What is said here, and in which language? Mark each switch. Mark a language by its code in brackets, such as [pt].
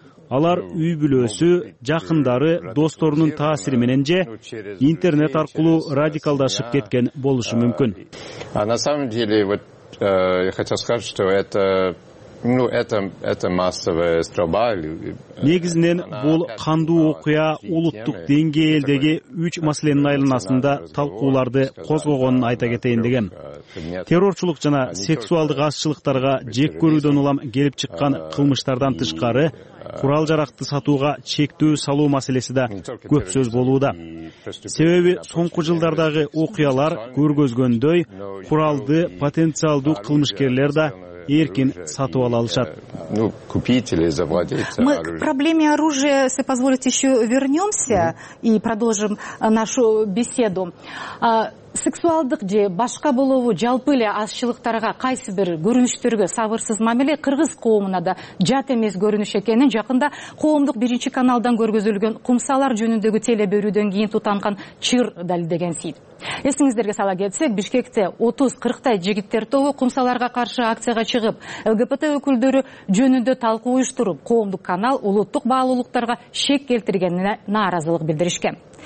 [ky] Алар үй бүлөсү, жакындары, досторунун таасири менен же интернет аркылуу радикалдашып кеткен болушу мүмкүн. [ru] А на самом деле вот я хотел сказать, что это массовая стрельба. [ky] Негизинен бул кандуу окуя улуттук деңгээлдеги 3 маселенин айланасында талкууларды козгогонун айта кетейин деген. Террорчулук жана сексуалдык азчылыктарга жек көрүүдөн улам келип чыккан кылмыштардан тышкары курал жаракты сатууга чектөө салуу маселеси да көп сөз болууда. Себеби соңку жылдардагы окуялар көргөзгөндөй куралды потенциалдуу кылмышкерлер да эркин сатып ала алышат. [ru] Ну, купить или завладеть оружием. Мы к проблеме оружия, если позволите, еще вернемся и продолжим нашу беседу. [ky] Сексуалдык же башка болобу жалпы эле азчылыктарга кайсы бир көрүнүштөргө сабырсыз мамиле кыргыз коомуна да жат эмес көрүнүш экенин жакында коомдук биринчи каналдан көргөзүлгөн кумсалар жөнүндөгү телебөрүүдөн кийин тутанган чыр далилдегенсейт. Эсиңиздерге сала кетсек, Бишкекте 30-40 жигиттер тобу кумсаларга каршы акцияга чыгып, ЛГБТ өкүлдөрү жөнүндө талкуу уюштуруп, коомдук канал улуттук баалуулуктарга шек келтиргенине нааразылык билдиришкен.